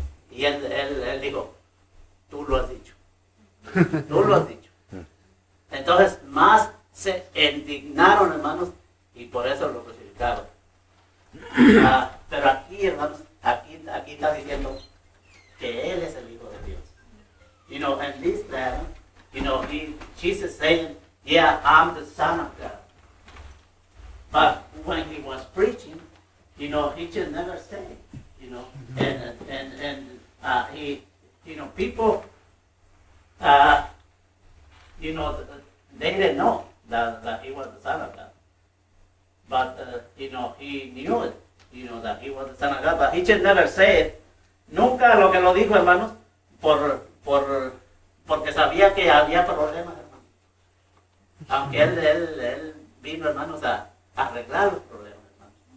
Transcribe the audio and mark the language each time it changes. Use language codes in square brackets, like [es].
[es] Y él dijo, tú lo has dicho. Tú lo has dicho. Entonces, más se indignaron, hermanos, y por eso lo crucificaron. Pero aquí, hermanos, aquí está diciendo que él es el Hijo de Dios. [en] You know, and this letter, you know, Jesus is saying, yeah, I'm the Son of God. But when he was preaching, you know, he just never said, you know, and he, you know, people, you know, they didn't know that he was the Son of God. But, you know, he knew it, you know, that he was the Son of God, but he just never said it. [es] Nunca lo que lo dijo, hermanos, porque sabía que había problemas, hermanos. Aunque él vino, hermanos, a arreglar los problemas, hermanos.